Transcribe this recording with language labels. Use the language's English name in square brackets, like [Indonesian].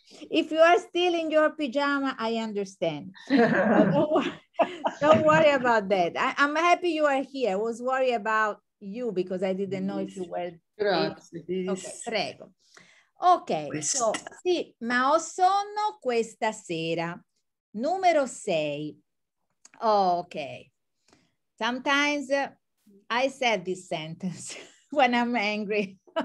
[English] If you are still in your pajama, I understand. don't worry about that. I'm happy you are here. I was worried about you because I didn't know if you were... [Italian] Grazie. Okay, prego. Okay, so sì, ma ho sonno questa sera. Numero 6. Okay. [English] Sometimes I said this sentence when I'm angry.